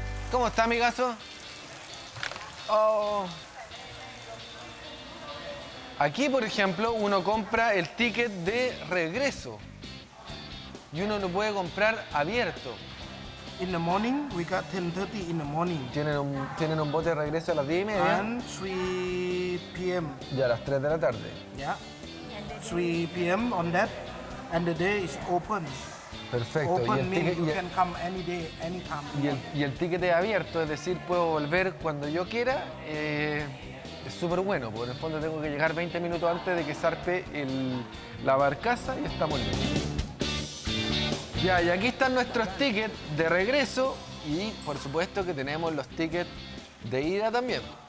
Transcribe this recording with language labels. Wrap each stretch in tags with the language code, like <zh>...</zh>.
<es>¿Cómo está, amigazo? Oh. Aquí, por ejemplo, uno compra el ticket de regreso y uno lo puede comprar abierto.</es> <en>In the morning, we got 10:30 in the morning.</en> <es>Tienen un bote de regreso a las 10 y media.</es> <en>And 3 p.m.</en> <es>Ya a las 3 de la tarde.</es> <en>Yeah. 3 p.m. on that. And the day is open.</en> <es>Perfecto.</es> <en>Open means you can come any day, anytime.</en> <es>Y el ticket es abierto, es decir, puedo volver cuando yo quiera. Es súper bueno, porque en el fondo tengo que llegar 20 minutos antes de que zarpe la barcaza y estamos listos. Ya, y aquí están nuestros tickets de regreso y, por supuesto, que tenemos los tickets de ida también.</es>